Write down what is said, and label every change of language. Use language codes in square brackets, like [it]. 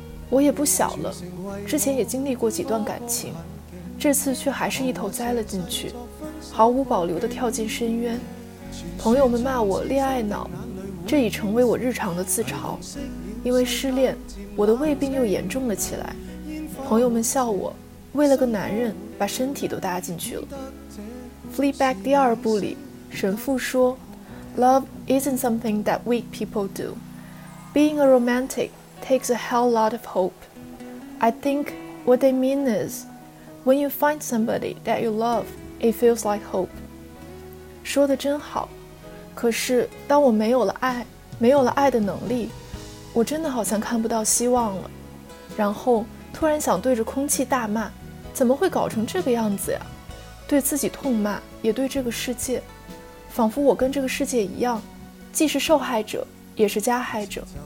[zh] 我也不小了，之前也经历过几段感情，这次却还是一头栽了进去，毫无保留地跳进深渊。朋友们骂我恋爱脑，这已成为我日常的自嘲。因为失恋，我的胃病又严重了起来，朋友们笑我为了个男人把身体都搭进去了。 [en] Fleabag [zh] 第二部里，神父说， [en] Love isn't something that weak people do. Being a romantic takes a hell lot of hope. I think what they mean is, when you find somebody that you love, it feels like hope. [zh] 说得真好，可是当我没有了爱，没有了爱的能力，我真的好像看不到希望了，然后突然想对着空气大骂，怎么会搞成这个样子呀？对自己痛骂，也对这个世界，仿佛我跟这个世界一样，既是受害者，也是加害者。